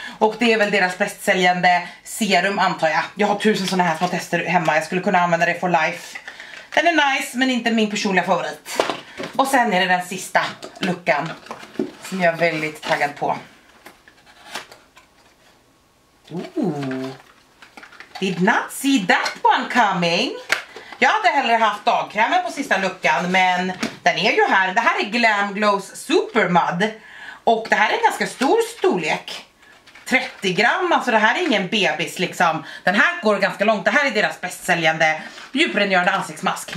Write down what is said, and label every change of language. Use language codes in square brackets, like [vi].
[sv] Och det är väl deras bästsäljande serum antar jag. Jag har 1000 sådana här små tester hemma, jag skulle kunna använda det [en] for life. [sv] Den är nice men inte min personliga favorit. Och sen är det den sista luckan. Som jag är väldigt taggad på. Ooh. [en] Did not see that one coming. [sv] Jag hade hellre haft dagkrämen på sista luckan, men den är ju här. Det här är Glam Glows Super Mud. Och det här är en ganska stor storlek. 30 gram, alltså det här är ingen bebis liksom. Den här går ganska långt, det här är deras bästsäljande djuprengörande ansiktsmask.